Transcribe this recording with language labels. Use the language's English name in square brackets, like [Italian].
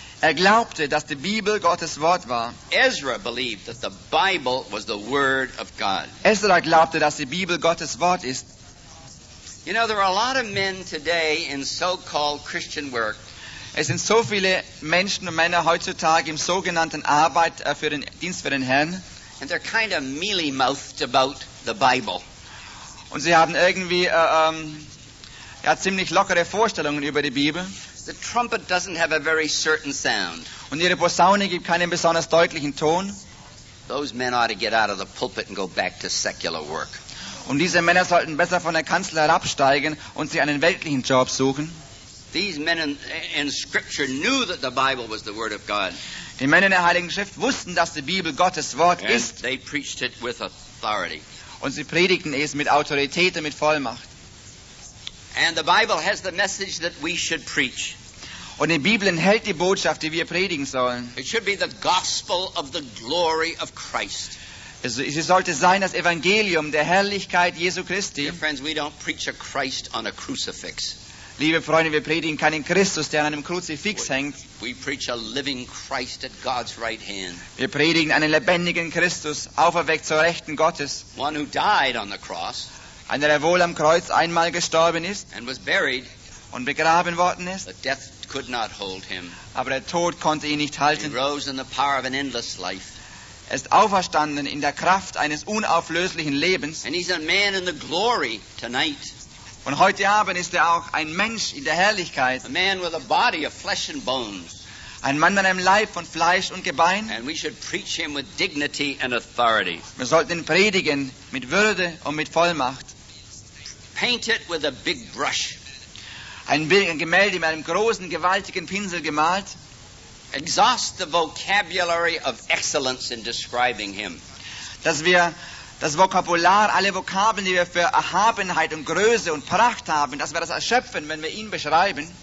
[German] Er glaubte, dass die Bibel Gottes Wort war. [English] Ezra believed that the Bible was the word of God. [German] Ezra glaubte, dass die Bibel Gottes Wort ist. [English] You know, there are a lot of men today in so-called Christian work. [German] Es sind so viele Menschen und Männer heutzutage im sogenannten Arbeit für den Dienst für den Herrn. [English] And they're kind of mealy-mouthed about the Bible. [German] Und sie haben irgendwie ziemlich lockere Vorstellungen über die Bibel. [English] The trumpet doesn't have a very certain sound. [German] Und ihre Posaune gibt keinen besonders deutlichen Ton. [English] Those men ought to get out of the pulpit and go back to secular work. [German] Und diese Männer sollten besser von der Kanzel herabsteigen und sich einen weltlichen Job suchen. [English] These men in Scripture knew that the Bible was the word of God. [German] Die Männer in der Heiligen Schrift wussten, dass die Bibel Gottes Wort ist. [English] They preached it with authority. [German] Und sie predigten es mit Autorität und mit Vollmacht. [English] And the Bible has the message that we should preach. [German] Und die Bibel enthält die Botschaft, die wir predigen sollen. [English] It should be the gospel of the glory of Christ. [German] Es sollte sein das Evangelium der Herrlichkeit Jesu Christi. [English] Dear friends, we don't preach a Christ on a crucifix. [German] Liebe Freunde, wir predigen keinen Christus, der an einem Kruzifix hängt. [English] We preach a living Christ at God's right hand. [German] Wir predigen einen lebendigen Christus, auferweckt zur Rechten Gottes. [English] One who died on the cross. [German] Einer, der wohl am Kreuz einmal gestorben ist [English] and was buried, [German] und begraben worden ist, [English] but death could not hold him. [German] Aber der Tod konnte ihn nicht halten. [English] He rose in the power of an endless life. [German] Er ist auferstanden in der Kraft eines unauflöslichen Lebens. [English] And he's a man in the glory tonight. [German] Und heute Abend ist er auch ein Mensch in der Herrlichkeit. [English] A man with a body of flesh and bones. [German] Ein Mann mit einem Leib von Fleisch und Gebein. [English] And we should preach him with dignity and authority. [German] Wir sollten ihn predigen mit Würde und mit Vollmacht. [English] Paint it with a big brush. [German] Ein Gemälde mit einem großen, gewaltigen Pinsel gemalt. [English] Exhaust the vocabulary of excellence in describing him. [German] Dass wir das Vokabular, alle Vokabeln, die wir für Erhabenheit und Größe und Pracht haben, dass wir das erschöpfen, wenn wir ihn beschreiben.